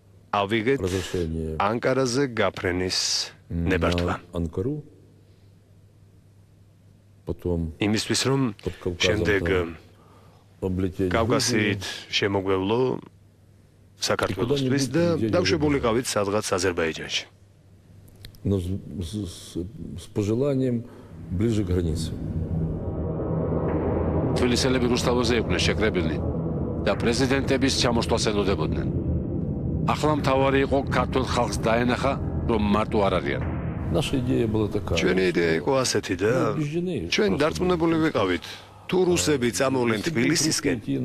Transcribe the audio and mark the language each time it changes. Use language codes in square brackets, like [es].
[ka] ავიღეთ ანკარაზე გაფრენის ნებართვა. [ru] Анкару. Потом [ka] იმისთვის რომ შემდეგ კავკასიით შემოგვევლო საქართველოსთვის და დავშვებულიყავით სადღაც აზერბაიჯანში. [ru] Но с пожеланием ближе к границе. [ka] თბილისელები რუსთავაზე იყვნენ შეკრებილნი. Да президентების ჩამოშტვას ელოდებოდნენ. ახლა მთავარი იყო ქართულ ხალხს დაენახა, რომ მარტო არ არიან. [ru] Наша идея была такая. [ka] ჩვენი იდეა იყო ასეთი და ჩვენ დარწმუნებული ვიყავით, თუ რუსები წამოვლენ თბილისისკენ,